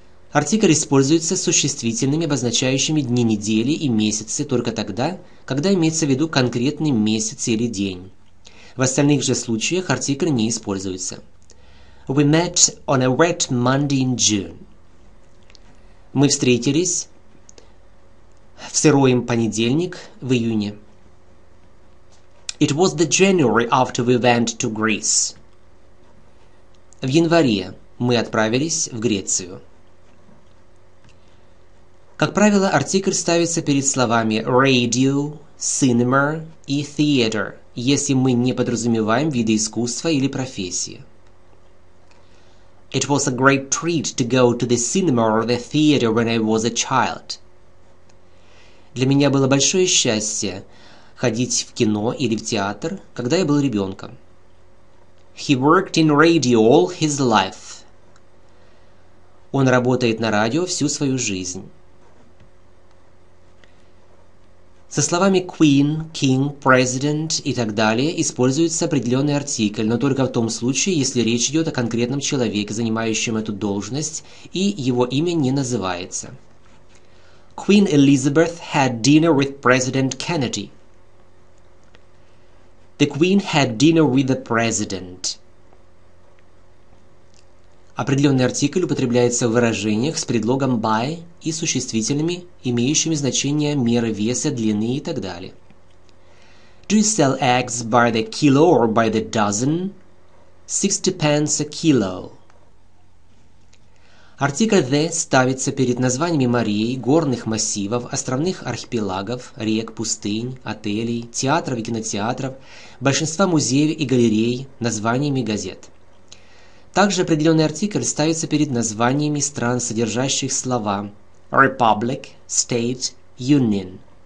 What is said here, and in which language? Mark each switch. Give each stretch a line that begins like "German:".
Russian: Артикль используется с существительными, обозначающими дни недели и месяцы только тогда, когда имеется в виду конкретный месяц или день. В остальных же случаях артикль не используется.
English: We met on a wet Monday in June.
Russian: Мы встретились в сырой понедельник в июне.
English: It was the January after we went to Greece.
Russian: В январе мы отправились в Грецию. Как правило, артикль ставится перед словами radio, cinema и theater, если мы не подразумеваем виды искусства или профессии.
English: It was a great treat to go to the cinema or the theater when I was a child.
Russian: Для меня было большое счастье ходить в кино или в театр, когда я был ребенком.
English: He worked in radio all his life.
Russian: Он работает на радио всю свою жизнь. Со словами queen, king, president и так далее используется определенный артикль, но только в том случае, если речь идет о конкретном человеке, занимающем эту должность, и его имя не называется.
English: Queen Elizabeth had dinner with President Kennedy. The queen had dinner with the president.
Russian: Определенный артикль употребляется в выражениях с предлогом by и существительными, имеющими значение меры веса, длины и так далее.
English: Do you sell eggs by the kilo or by the dozen? 60 pence a kilo.
Russian: Артикль the ставится перед названиями морей, горных массивов, островных архипелагов, рек, пустынь, отелей, театров и кинотеатров, большинства музеев и галерей, названиями газет. Также определенный артикль ставится перед названиями стран, содержащих слова Republic, State, Union.